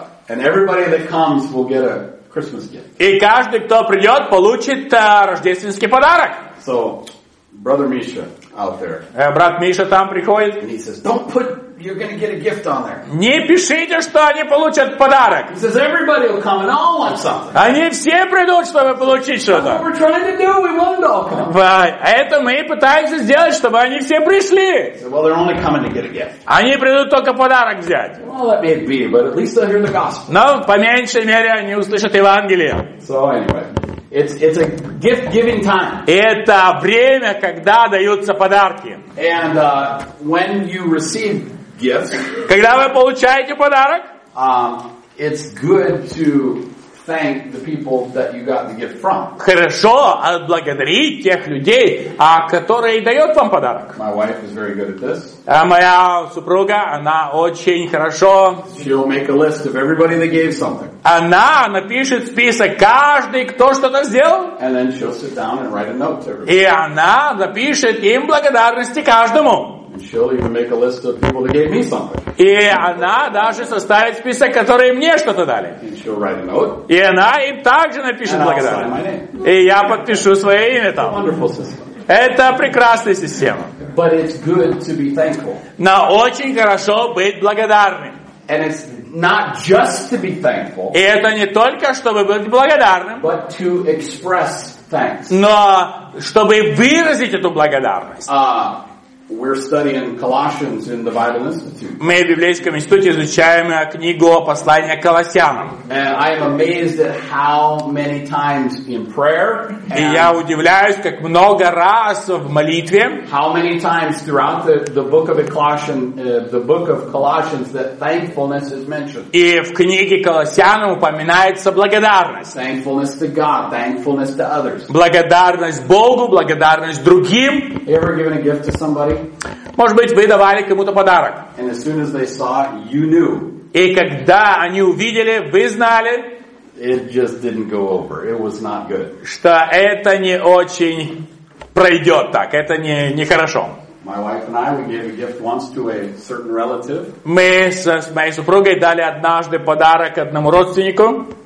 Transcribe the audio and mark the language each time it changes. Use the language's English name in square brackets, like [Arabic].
[English] And everybody that comes will get a Christmas gift. [Russian] И каждый, кто придет, получит рождественский подарок. [English] So, brother Misha out there. [Russian] Брат Миша там приходит. [English] And he says, don't put... You're going to get a gift on there. [Russian] Не пишите, что они получат подарок. [English] He says everybody will come and all want something. [Russian] Они все придут, чтобы получить что-то. [English] That's what we're trying to do. We want them all come. [Russian] Это мы пытаемся сделать, чтобы они все пришли. [English] So, well, they're only coming to get a gift. [Russian] Они придут только подарок взять. [English] Well, that may be, but at least they'll hear the gospel. [Russian] Но по меньшей мере они услышат Евангелие. [English] So anyway, it's a gift-giving time. [Russian] Это время, когда даются подарки. [English] And when you receive gifts. [Russian] Когда вы получаете подарок, [English] it's good to thank the people that you got the gift from. [Russian] Хорошо отблагодарить тех людей, которые дают вам подарок. [English] My wife is very good at this. [Russian] Моя супруга, она очень хорошо. [English] She'll make a list of everybody that gave something. [Russian] Она напишет список каждый, кто что-то сделал. [English] And then she'll sit down and write a note to everybody. [Russian] И она напишет им благодарности каждому. [English] She'll even make a list of people that gave me something. [Russian] И она даже составит список, которые мне что-то дали. [English] And she'll write a note. [Russian] И она им также напишет благодарность. И я подпишу свое имя там. Это прекрасная система. [English] But it's good to be thankful. [Russian] Но очень хорошо быть благодарным. [English] And it's not just to be thankful. [Russian] И это не только чтобы быть благодарным. [English] But to express thanks. [Russian] Но чтобы выразить эту благодарность. [English] We're studying Colossians in the Bible Institute. [Russian] Мы в библейском институте изучаем книгу послания к Колоссянам. [English] And I am amazed at how many times in prayer. [Russian] И я удивляюсь, как много раз в молитве. [English] How many times throughout the book of Colossians, the book of Colossians, that thankfulness is mentioned. [Russian] И в книге Колоссянам упоминается благодарность. [English] Thankfulness to God, thankfulness to others. [Russian] Благодарность Богу, благодарность другим. [English] You ever given a gift to somebody? [Russian] Может быть, вы давали кому-то подарок. [English] And as soon as they saw, you knew. [Russian] И когда они увидели, вы знали, [English] it just didn't go over. It was not good. [Russian] Что это не очень пройдет так, это не хорошо. [English] My wife and I, we gave a gift once to a certain relative. [Russian] Мы с моей супругой дали однажды подарок одному родственнику.